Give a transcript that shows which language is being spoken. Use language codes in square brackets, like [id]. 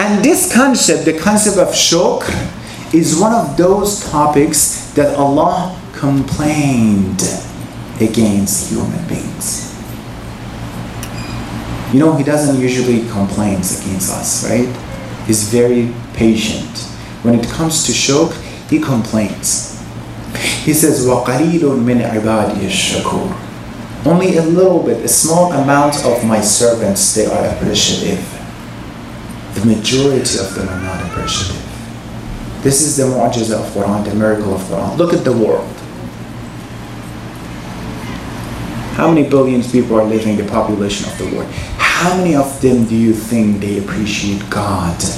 [en] And this concept, the concept of shukr, is one of those topics that Allah complained against human beings. You know, He doesn't usually complain against us, right? He's very patient. When it comes to shukr, He complains. He says, [ar] وَقَلِيلٌ مِنْ عِبَادِيَ الشَّكُورُ. [en] Only a little bit, a small amount of my servants, they are appreciative. The majority of them are not appreciative. This is the mu'jiza of Quran, the miracle of Quran. Look at the world. How many billions of people are living, the population of the world? How many of them do you think they appreciate God?